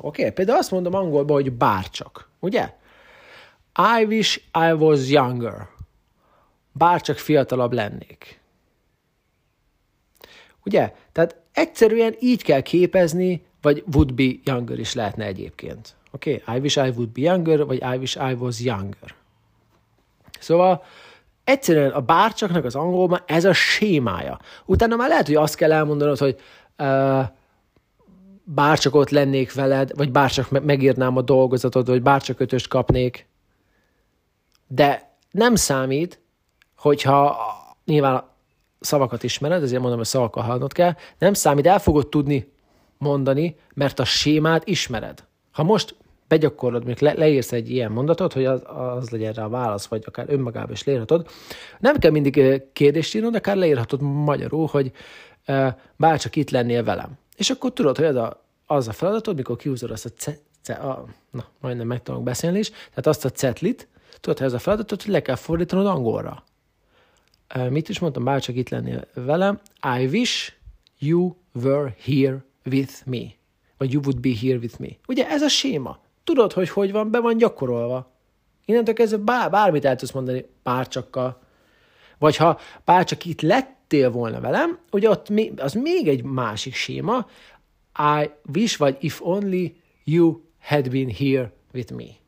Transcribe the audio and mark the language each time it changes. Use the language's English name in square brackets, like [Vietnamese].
[Hungarian] Oké, például azt mondom angolban, hogy bárcsak, ugye? [English] I wish I was younger. [Hungarian] Bárcsak fiatalabb lennék. Ugye? Tehát egyszerűen így kell képezni, vagy [English] would be younger [Hungarian] is lehetne egyébként. Oké? [English] Okay? I wish I would be younger, vagy I wish I was younger. [Hungarian] Szóval egyszerűen a bárcsaknak az angolban ez a sémája. Utána már lehet, hogy azt kell elmondanod, hogy bárcsak ott lennék veled, vagy bárcsak megírnám a dolgozatod, vagy bárcsak ötöst kapnék. De nem számít, hogyha nyilván szavakat ismered, ezért mondom, hogy szavakkal hallanod kell, nem számít, el fogod tudni mondani, mert a sémát ismered. Ha most begyakorlod, mondjuk leírsz egy ilyen mondatot, hogy az legyen rá a válasz, vagy akár önmagában is leírhatod, nem kell mindig kérdést írnod, akár leírhatod magyarul, hogy bárcsak itt lennél velem. És akkor tudod, hogy az a feladatod, mikor kihúzod azt a majdnem meg tudok beszélni is, tehát azt a cetlit, tudod, hogy ez a feladatod, hogy le kell fordítanod angolra. Mit is mondtam, bárcsak itt lennél velem, [English] I wish you were here with me. Vagy you would be here with me. [Hungarian] Ugye ez a séma. Tudod, hogy van, be van gyakorolva. Innentől kezdve bármit el tudsz mondani bárcsakkal. Vagy ha bárcsak itt lettél volna velem, ugye ott az még egy másik séma, [English] I wish, [Hungarian] vagy [English] if only you had been here with me.